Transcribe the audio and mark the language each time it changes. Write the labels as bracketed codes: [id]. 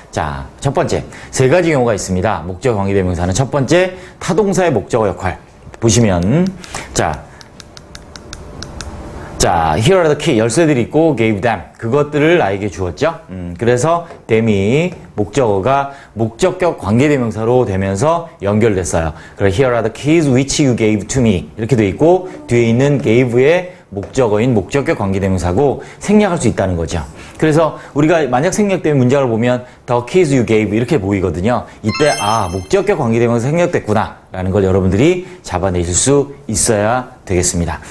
[ko] 자, 첫 번째, 세 가지 경우가 있습니다. 목적 관계대명사는 첫 번째, 타동사의 목적어 역할. 보시면 자, 자, [en] here are the key. [ko] 열쇠들이 있고, [en] gave them. [ko] 그것들을 나에게 주었죠. 그래서 them이 목적어가 목적격 관계대명사로 되면서 연결됐어요. 그래서 [en] here are the keys which you gave to me. [ko] 이렇게 돼 있고, 뒤에 있는 gave의 목적어인 목적격 관계대명사고 생략할 수 있다는 거죠. 그래서 우리가 만약 생략된 문장을 보면 [en] the keys you gave [ko] 이렇게 보이거든요. 이때 아, 목적격 관계대명사 생략됐구나 라는 걸 여러분들이 잡아내실 수 있어야 되겠습니다.